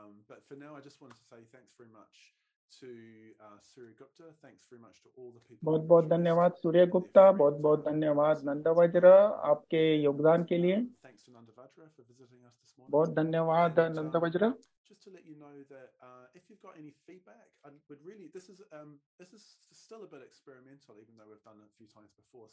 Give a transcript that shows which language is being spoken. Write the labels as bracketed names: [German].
[English] But for now, I just wanted to say thanks very much to Surya Gupta. Thanks very much to all the people. [Hindi] बहुत बहुत धन्यवाद सूर्य गुप्ता, बहुत बहुत धन्यवाद नंदवज्र आपके योगदान के लिए. [English] Thanks to Nandavajra for visiting us this morning. [Hindi] बहुत धन्यवाद नंदवज्र. [English] Just to let you know that if you've got any feedback, I would really, this is still a bit experimental, even though we've done it a few times before.